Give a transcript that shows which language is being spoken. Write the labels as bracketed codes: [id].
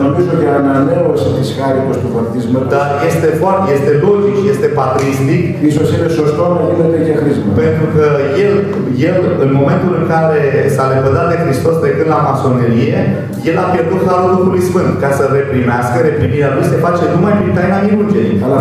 [ro] Dar nu știu că în [el] ανανέωση της χάριτος του βαπτίσματος. [ro] Dar este logic, este patristic. [el] Ίσως είναι σωστό να γίνεται και χρήσμα. [ro] Pentru că el, în momentul în care s-a lepădat de Hristos trecând la masonerie, el a pierdut harul Duhului Sfânt. Ca să reprimească, reprimirea lui se face numai prin taina minungerii.